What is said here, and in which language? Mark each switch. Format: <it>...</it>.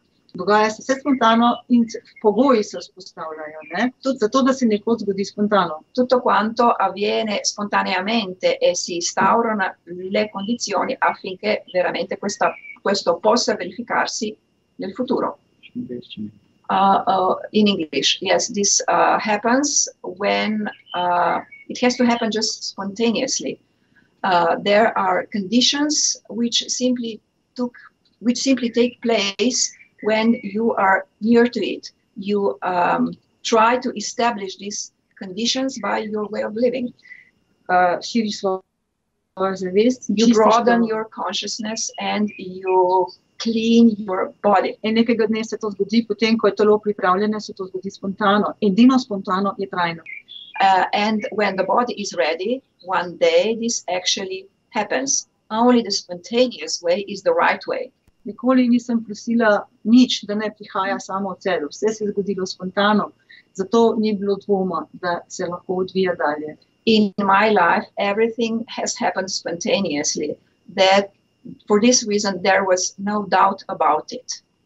<sl>Dogaja se vse spontano in pogoji se spostavljajo, ne? Tudi zato, da se nekaj zgodi spontano.</sl> <it>Tutto quanto avviene spontaneamente e si instaurano le condizioni affinché veramente questo possa verificarsi nel futuro.</it> <en>In English, yes, this happens when it has to happen just spontaneously. There are conditions which simply take place when you are near to it. You try to establish these conditions by your way of living. You broaden your consciousness and you clean your body.</en> <sl>In nekega dne se to zgodi, potem ko je telo pripravljeno, se to zgodi spontano. Edino spontano je trajno.</sl> <en>And when the body is ready, one day this actually happens. Only the spontaneous way is the right way.</en> <sl>Nikoli nisem prosila nič, da ne prihaja samo od sebe. Vse se je zgodilo spontano. Zato ni bilo dvoma, da se lahko odvija dalje.</sl> <en>In my life everything has happened spontaneously. That for this reason there was no doubt about it.</en>